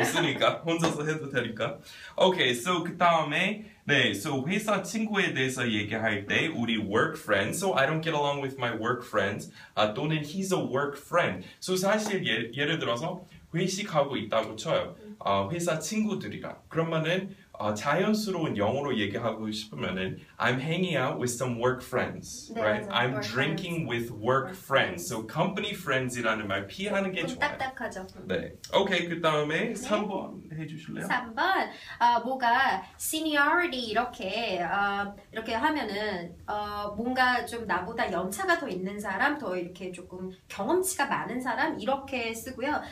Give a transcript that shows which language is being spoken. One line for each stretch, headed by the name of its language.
Korean: 없으니까 혼자서 해도 되니까. Okay, so 그 다음에.
English: 네, so
Korean: 회사 친구에 대해서 얘기할 때 우리
English: work friend, so I don't get along with my work friends,
Korean: 또는
English: he's a work friend.
Korean: So 사실 예를 들어서 회식하고 있다고 쳐요. 회사 친구들이랑. 그러면은 자연스러운 영어로 얘기하고 싶으면은
English: I'm hanging out with some work friends,
Korean: 네,
English: right?
Korean: 맞아요.
English: I'm work drinking friends. With work friends.
Korean: So company friends이라는 말 피하는 게 좋아요. 딱딱하죠. 네. 오케이, 그다음에 네. 3번 해주실래요? 3번. 뭐가 seniority 이렇게 이렇게 하면은 뭔가 좀 나보다 연차가 더 있는 사람, 더 이렇게 조금 경험치가 많은 사람 이렇게 쓰고요.